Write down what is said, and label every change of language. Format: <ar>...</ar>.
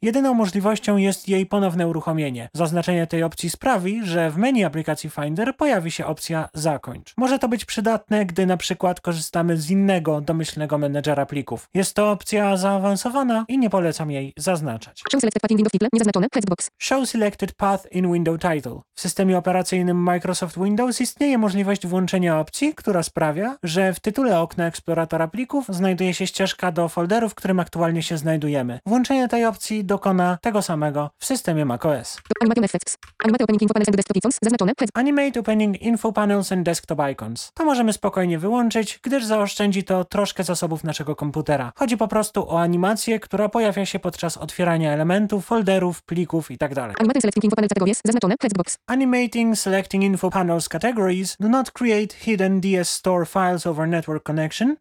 <pl>Jedyną możliwością jest jej ponowne uruchomienie. Zaznaczenie tej opcji sprawi, że w menu aplikacji Finder pojawi się opcja zakończ. Może to być przydatne, gdy na przykład korzystamy z innego domyślnego menedżera plików. Jest to opcja zaawansowana i nie polecam jej zaznaczać.</pl> <en>Show selected path in window title,</en> <pl>niezaznaczone, hexbox.</pl> <en>Show selected path in window title.</en> <pl>W systemie operacyjnym Microsoft Windows istnieje możliwość włączenia opcji, która sprawia, że w tytule okna eksploratora plików znajduje się ścieżka do folderu, w którym aktualnie się znajdujemy. Włączenie tej opcji dokona tego samego w systemie macOS.</pl> <en>Animate effects. Animate opening info panels and desktop icons,</en> <pl>zaznaczone, hexbox.</pl> <en>Animate opening info panels and desktop icons.</en> <pl>To możemy spokojnie wyłączyć, gdyż zaoszczędzi to troszkę zasobów naszego komputera. Chodzi po prostu o animację, która pojawia się podczas otwierania elementów, folderów, plików itd.</pl> <en>Animating selecting info panels categories,</en> <pl>zaznaczone, hexbox.</pl> <en>Animating selecting info panels categories, do not create hidden DS store files over network connection.</en>